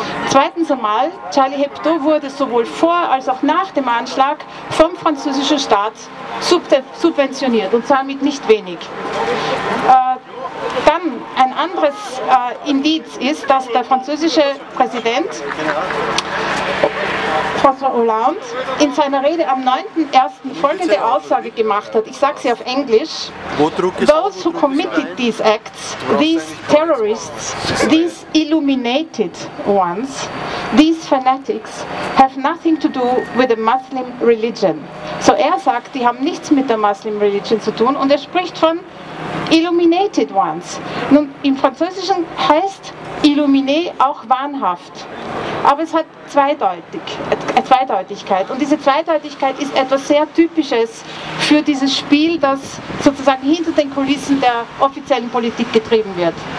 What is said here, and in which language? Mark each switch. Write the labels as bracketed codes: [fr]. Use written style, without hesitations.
[de] Zweitens einmal, Charlie Hebdo wurde sowohl vor als auch nach dem Anschlag vom französischen Staat subventioniert und zwar mit nicht wenig. Dann ein anderes Indiz ist, dass der französische Präsident François Hollande in seiner Rede am 9.1. folgende Aussage gemacht hat. Ich sage sie auf Englisch. [en] Those who committed these acts, these terrorists, these illuminated ones, these fanatics have nothing to do with the Muslim religion. [de] So er sagt, die haben nichts mit der Muslim religion zu tun und er spricht von Illuminated Ones. Nun, im Französischen heißt Illuminé auch wahnhaft. Aber es hat Zweideutigkeit. Und diese Zweideutigkeit ist etwas sehr Typisches für dieses Spiel, das sozusagen hinter den Kulissen der offiziellen Politik getrieben wird.